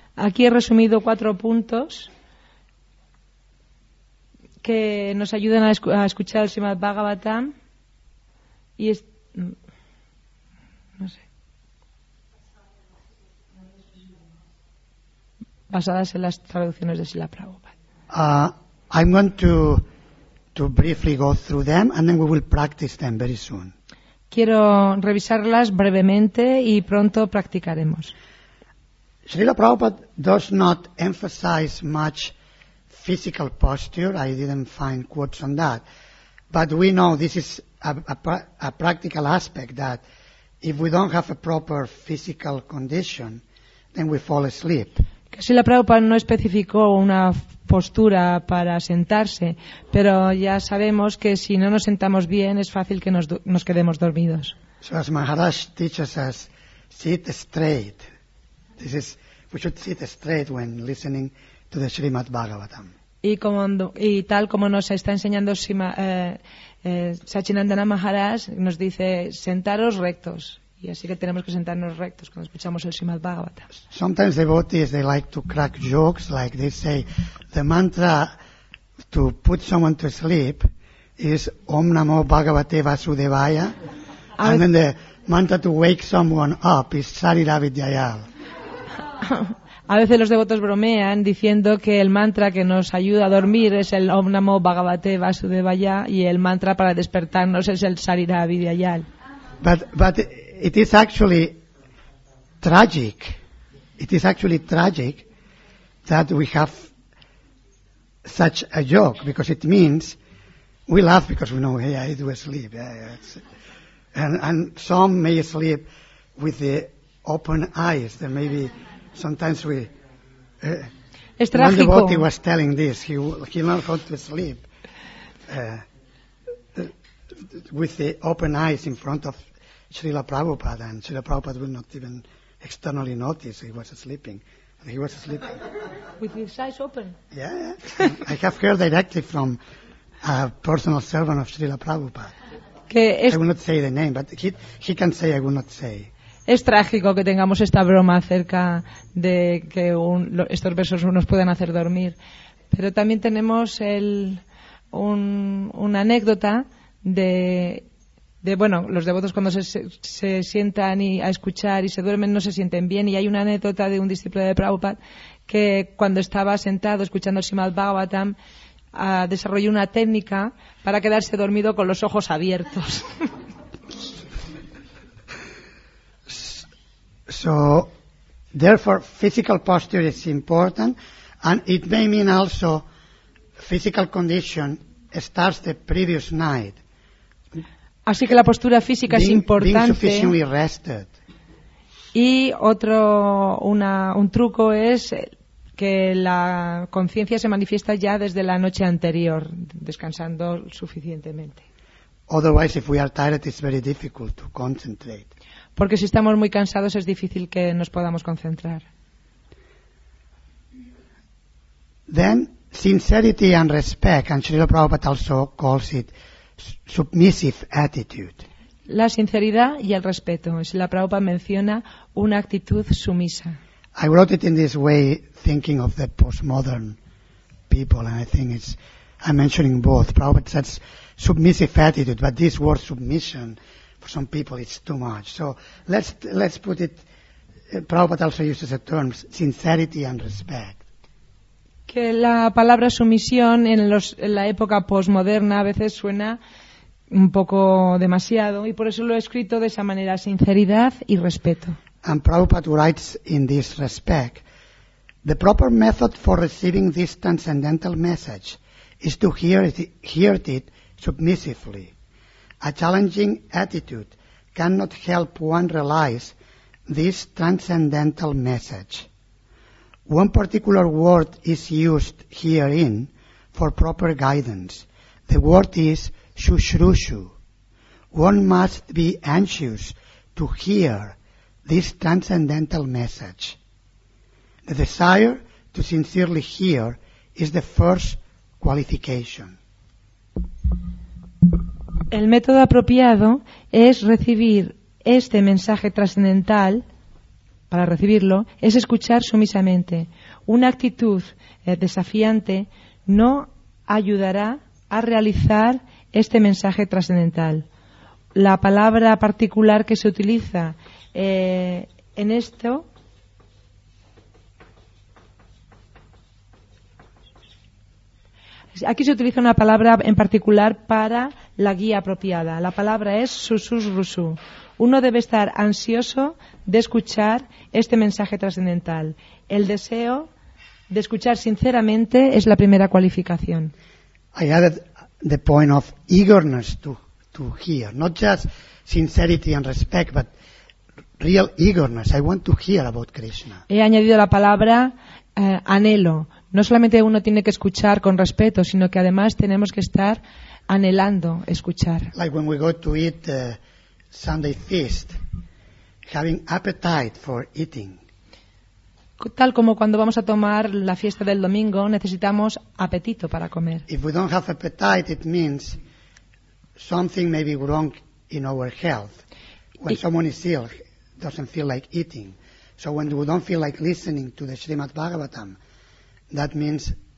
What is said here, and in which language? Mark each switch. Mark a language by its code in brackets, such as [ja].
[es] Aquí he resumido cuatro puntos que nos ayudan a escuchar el Srimad Bhagavatam y es, no sé, basadas en las traducciones de Srila Prabhupada. [en] I'm going to briefly go through them and then we will practice them very soon. [es] Quiero revisarlas brevemente y pronto practicaremos. [en] Srila Prabhupada does not emphasize much physical posture. I didn't find quotes on that. But we know this is a practical aspect that if we don't have a proper physical condition, then we fall asleep. Srila Prabhupada no especificó una postura para sentarse, pero ya sabemos que si no nos sentamos bien es fácil que nos quedemos dormidos. So as Maharaj teaches us, sit straight. This is, we should sit straight when listening to the Srimad Bhagavatam. [es] Y tal como nos está enseñando Sachinandana Maharaj, nos dice sentaros rectos. Y así que tenemos que sentarnos rectos cuando escuchamos el Srimad Bhagavatam. [en] Sometimes devotees, they like to crack jokes, like they say, the mantra to put someone to sleep is Om Namo Bhagavate Vasudevaya. And then the mantra to wake someone up is Sariravidyayal. A veces los devotos bromean diciendo que el mantra que nos ayuda a dormir es el Om Namo Bhagavate Vasudevaya y el mantra para despertarnos es el Sariravidyayal. But it is actually tragic. It is actually tragic that we have such a joke because it means we laugh because we know, yeah, it will sleep. Yeah, yeah. And some may sleep with the open eyes. There may be sometimes we. [es] Es trágico. [en] One devotee was telling this. He learned how to sleep with the open eyes in front of Srila Prabhupada, and Srila Prabhupada would not even externally notice he was sleeping. He was sleeping. With his eyes open. Yeah. I have heard directly from a personal servant of Srila Prabhupada. I will not say the name, but he can say I will not say. [es] Es trágico que tengamos esta broma acerca de que estos besos nos pueden hacer dormir. Pero también tenemos una anécdota de los devotos cuando se sientan y a escuchar y se duermen no se sienten bien. Y hay una anécdota de un discípulo de Prabhupada que cuando estaba sentado escuchando Srimad Bhagavatam desarrolló una técnica para quedarse dormido con los ojos abiertos. [en] So, therefore, physical posture is important, and it may mean also physical condition starts the previous night. [es] Así que la postura física es importante. [en] Being sufficiently rested. [es] Y otro un truco es que la conciencia se manifiesta ya desde la noche anterior, descansando suficientemente. [en] Otherwise, if we are tired, it's very difficult to concentrate. [es] Porque si estamos muy cansados es difícil que nos podamos concentrar. [en] Then sincerity and respect, and Srila Prabhupada also calls it submissive attitude. [es] La sinceridad y el respeto, Srila Prabhupada menciona una actitud sumisa. [en] I wrote it in this way thinking of the postmodern people, and I think I'm mentioning both. Prabhupada says submissive attitude, but this word submission for some people it's too much. So let's put it, Prabhupada also uses the terms sincerity and respect. [es] Que la palabra sumisión en la época postmoderna a veces suena un poco demasiado y por eso lo he escrito de esa manera, sinceridad y respeto. [en] And Prabhupada writes in this respect, the proper method for receiving this transcendental message is to hear it submissively. A challenging attitude cannot help one realize this transcendental message. One particular word is used herein for proper guidance. The word is shushrushu. One must be anxious to hear this transcendental message. The desire to sincerely hear is the first qualification. [es] El método apropiado es recibir este mensaje trascendental, para recibirlo, es escuchar sumisamente. Una actitud desafiante no ayudará a realizar este mensaje trascendental. La palabra particular que se utiliza en esto aquí se utiliza una palabra en particular para la guía apropiada. La palabra es susurrusu. Uno debe estar ansioso de escuchar este mensaje trascendental. El deseo de escuchar sinceramente es la primera cualificación. [en] I added the point of eagerness to hear. Not just sincerity and respect, but real eagerness. I want to hear about Krishna. [es] He añadido la palabra anhelo. No solamente uno tiene que escuchar con respeto, sino que además tenemos que estar anhelando escuchar. [en] Like when we go to eat Sunday feast, having appetite for eating. [es] Tal como cuando vamos a tomar la fiesta del domingo, necesitamos apetito para comer. [en] If we don't have appetite, it means something may be wrong in our health. When someone is ill, doesn't feel like eating. So when we don't feel like listening to the Srimad Bhagavatam, that means